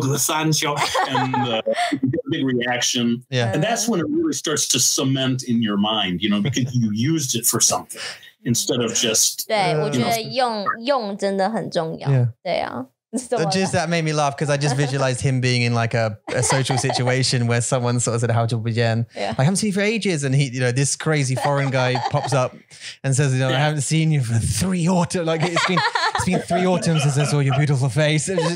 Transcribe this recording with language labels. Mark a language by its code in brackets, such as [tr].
[en] Big reaction, and that's when it really starts to cement in your mind, you know, because you used it for something instead of just. [zh] 对，我觉得用用真的很重要。对啊。 [en] That made me laugh because I just visualized him being in like a social situation where someone sort of said, "How to begin?" Yeah. I haven't seen you for ages. And he, you know, this crazy foreign guy pops up and says, you know, "I haven't seen you for three autumn." Like it's been It's been three autumns since I saw your beautiful face.